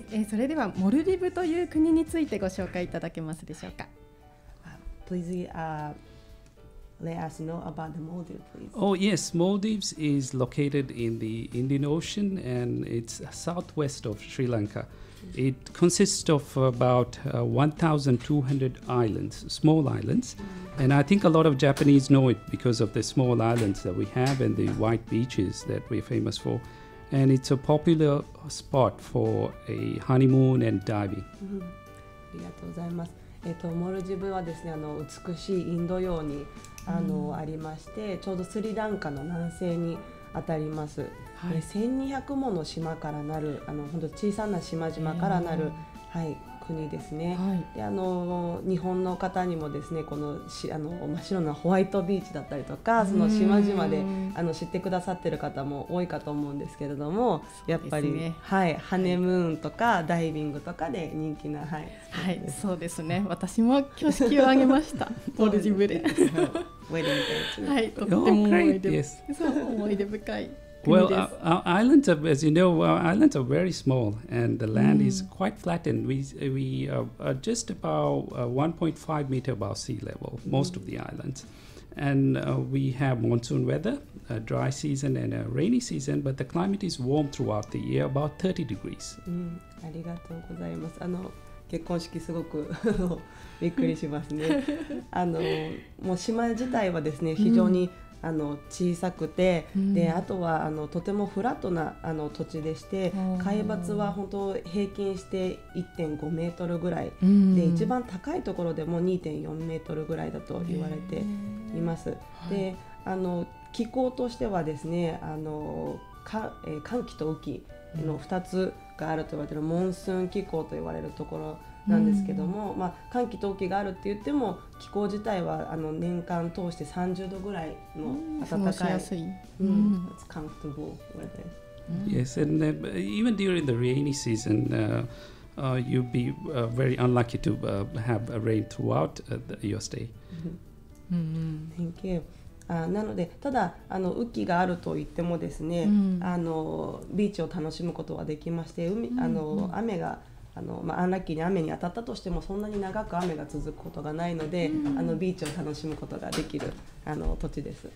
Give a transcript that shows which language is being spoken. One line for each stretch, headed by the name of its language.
Japanese: それではモルディブという国についてご紹介いただけますでしょうか。
English: Please let us know about the Maldives, please. Oh yes, Maldives is located in the Indian Ocean and it's southwest of Sri Lanka. It consists of about 1,200 islands, small islands. And I think a lot of Japanese know it because of the small islands that we have and the white beaches that we're famous for. And it's a popular spot for a honeymoon and diving.
Japanese: ありがとうございます。モルディブはですね、美しいインド洋にありまして、ちょうどスリランカの南西にあたります。はい、1200もの島からなる、本当小さな島々からなる、はい、国ですね。はい、で日本の方にもですね、この真っ白なホワイトビーチだったりとか、その島々で知ってくださってる方も多いかと思うんですけれども、やっぱり、ね、はい、ハネムーンとかダイビングとかで人気な、はい、はい、そうですね、私も挙式を挙げました。モルディブで、ウェディングで、とっても思い出、
English: yes.
Japanese: そう、思い出深い。
English: Well, our islands are, as you know, our islands are very small, and the land is quite flattened. We are just about 1.5 meter above sea level, most of the islands. And we have monsoon weather, a dry season and a rainy season, but the climate is warm throughout the year, about 30 degrees.
Japanese: ありがとうございます。結婚式すごくびっくりしますね。もう島自体はですね非常に、うん、小さくて、うん、であとはとてもフラットな土地でして、海抜は本当平均して 1.5 メートルぐらい、うん、で一番高いところでも 2.4 メートルぐらいだと言われています、で、はい、気候としてはですね寒気と雨季の2つがあると言われているモンスーン気候と言われるところなんですけども、うん、まあ、寒気と雨季があるって言っても気候自体は年間通して30度ぐらいの暖かい、うん、過ごしやすい、うん、
English: That's comfortable with it. Yes, and even during the rainy season, you'd be very unlucky to have a rain throughout your stay. Thank you.
Japanese: なのでただ雨季があると言ってもですね、うん、ビーチを楽しむことはできまして、海、雨がまあ、アンラッキーに雨に当たったとしてもそんなに長く雨が続くことがないので、うん、ビーチを楽しむことができる土地です。